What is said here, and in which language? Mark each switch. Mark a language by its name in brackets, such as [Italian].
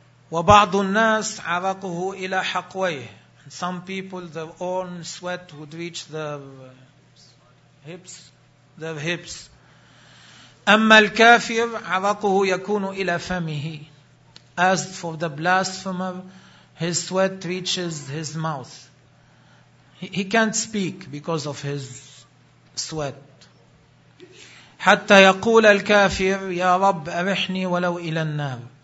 [Arabic] وبعض الناس عرقه إلى حقويه. [English] Some people, their own sweat would reach their hips. [Arabic] أما الكافر عرقه يكون إلى فمه. [English] As for the blasphemer, his sweat reaches his mouth. He can't speak because of his sweat. [Arabic] حتى يقول الكافر يا رب أرحني ولو إلى النار.